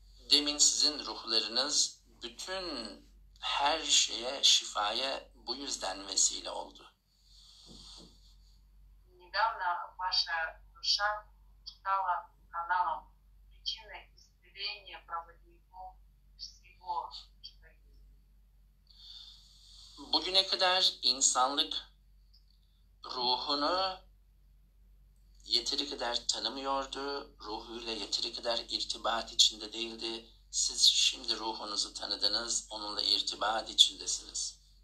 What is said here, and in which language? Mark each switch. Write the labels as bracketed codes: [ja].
[tr] Demin sizin ruhlarınız bütün her şeye, şifaya bu yüzden vesile oldu. [ru] Недавно ваша душа стала каналом причины исцеления проводников всего, что есть. [tr] Bugüne kadar insanlık ruhunu yeteri kadar tanımıyordu, ruhuyla yeteri kadar irtibat içinde değildi. Siz şimdi ruhunuzu tanıdınız, onunla irtibat içindesiniz.